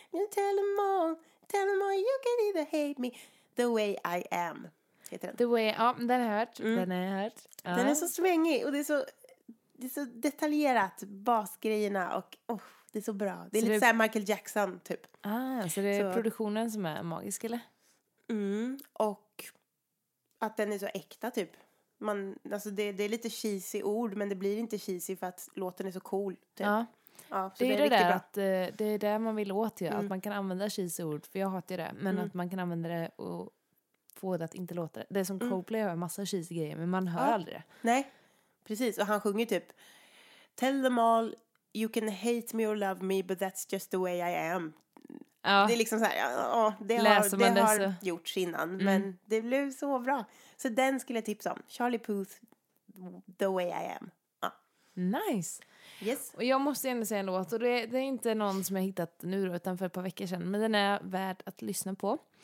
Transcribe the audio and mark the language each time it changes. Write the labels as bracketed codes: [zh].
[en] Tell them all, you can either hate me the way I am. [sv] Heter den. [en] The way, [sv] ja, den har hört. Den har hört. Ja. Den är så svängig och det är så detaljerat, basgrejerna och det är så bra. Det är så lite såhär Michael Jackson typ. Ah, så det är så. Produktionen som är magisk eller? Mm, och att den är så äkta typ. Man, alltså det är lite cheesy ord, men det blir inte cheesy för att låten är så cool. Typ. Ja. Det är det man vill åt ju, att man kan använda cheesy ord, för jag hatar det, men att man kan använda det och få det att inte låta det. Det är som Coldplay har en massa cheesy grejer, men man hör aldrig det. Nej, precis. Och han sjunger typ, [en] tell them all you can hate me or love me but that's just the way I am. [sv] Ja. Det är liksom så här, det har gjorts innan, men det blev så bra. Så den skulle jag tipsa om. Charlie Puth, The Way I Am. Ja. Nice. Yes. Och jag måste ändå säga en låt, och det är inte någon som jag hittat nu då, utan för ett par veckor sedan, men den är värd att lyssna på.